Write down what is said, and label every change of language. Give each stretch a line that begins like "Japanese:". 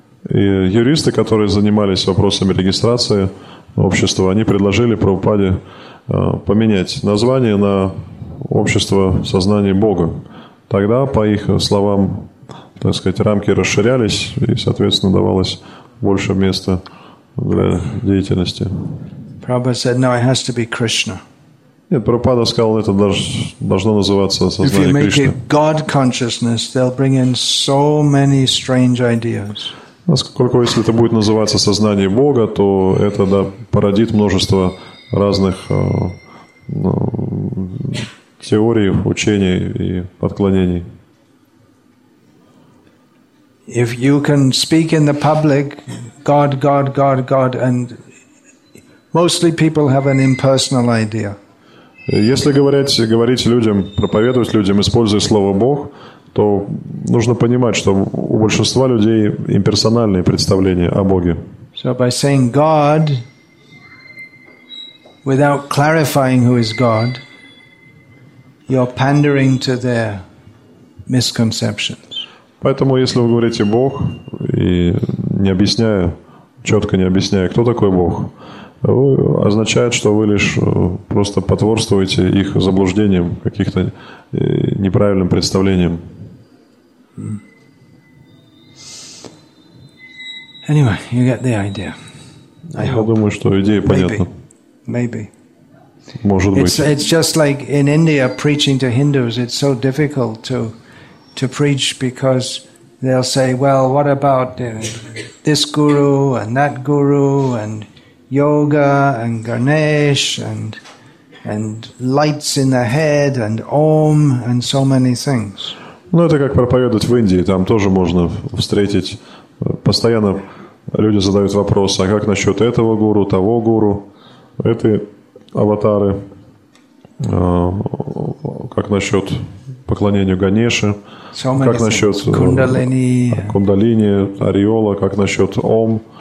Russian: И юристы, которые занимались вопросами регистрации общества, они предложили Прабхупаде поменять название на общество сознания Бога. Тогда, по их словам, так сказать, рамки расширялись и, соответственно, давалось больше места для деятельности.
English: Prabhupada said, no, it has to be Krishna.
Russian: Нет, Прабхупада сказал, это должно называться сознание Кришны.
English: If you make it God consciousness, they'll bring in so many strange ideas.
Russian: Поскольку если это будет называться сознание Бога, то это да, породит множество разных теорий, учений и отклонений.
English: If you can speak in the public, God, God, God, God, and mostly people have an impersonal idea.
Russian: Если говорить людям, проповедовать людям, используя слово Бог, то нужно понимать, что у большинства людей имперсональные представления о Боге.
English: So by saying God, without clarifying who is God, you're pandering to their misconceptions.
Russian: Поэтому, если вы говорите Бог и не объясняя, четко не объясняя, кто такой Бог, означает, что вы лишь просто потворствуете их заблуждениям, каких-то неправильным представлениям.
English: Anyway, you get the idea. I hope.
Russian: Я думаю, что идея понятна.
English: Maybe.
Russian: Может быть.
English: It's just like in India preaching to Hindus, it's so difficult to preach because they'll say, well, what about this guru and that guru and yoga and Ganesh and lights in the head and Om and so many things.
Russian: Ну, это как проповедовать в Индии. Там тоже можно встретить. Постоянно люди задают вопрос, а как насчет этого гуру, того гуру, этой аватары, как насчет поклонению Ганеше, как насчет кундалини, ореола, как насчет Ом.